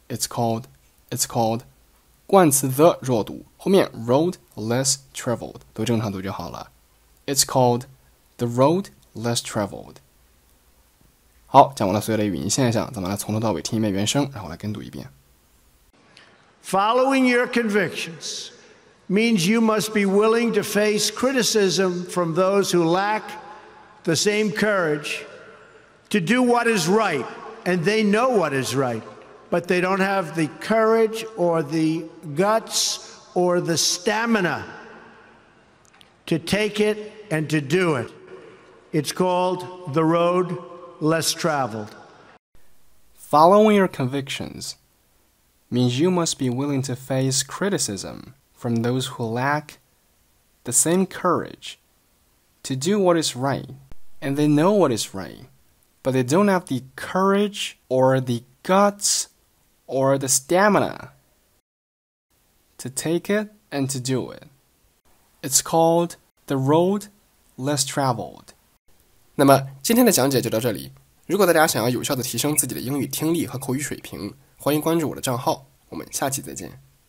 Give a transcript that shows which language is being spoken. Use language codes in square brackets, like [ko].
[en] It's called, it's called. [zh] 冠词 the 弱读。后面 [en] road less traveled, [zh] 都正常读就好了。 [en] It's called the road less traveled. [zh] 好，讲完了所有的语音现象，咱们来从头到尾听一遍原声，然后来跟读一遍。 [en] Following your convictions means you must be willing to face criticism from those who lack... the same courage to do what is right, and they know what is right, but they don't have the courage or the guts or the stamina to take it and to do it. It's called the road less traveled. Following your convictions means you must be willing to face criticism from those who lack the same courage to do what is right. And they know what is right, but they don't have the courage or the guts or the stamina to take it and to do it. It's called the road less traveled. [zh] 那么今天的讲解就到这里。如果大家想要有效地提升自己的英语听力和口语水平，欢迎关注我的账号。我们下期再见。